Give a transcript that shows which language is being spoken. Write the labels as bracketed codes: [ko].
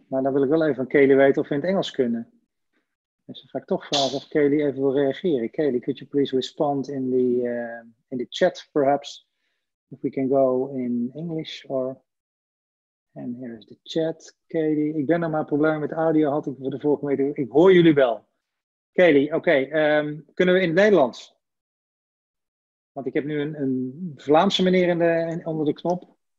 [nl] Maar dan wil ik wel even van Kaylee weten of we in het Engels kunnen. Dus dan ga ik toch vragen of Kaylee even wil reageren. [en] Kaylee, could you please respond in the chat, perhaps? If we can go in English or... And here is the chat. [nl] Kaylee, ik ben er maar problemen met audio had ik voor de vorige week. Ik hoor jullie wel. Kaylee, oké. Kunnen we in het Nederlands? Want ik heb nu een Vlaamse meneer onder de knop.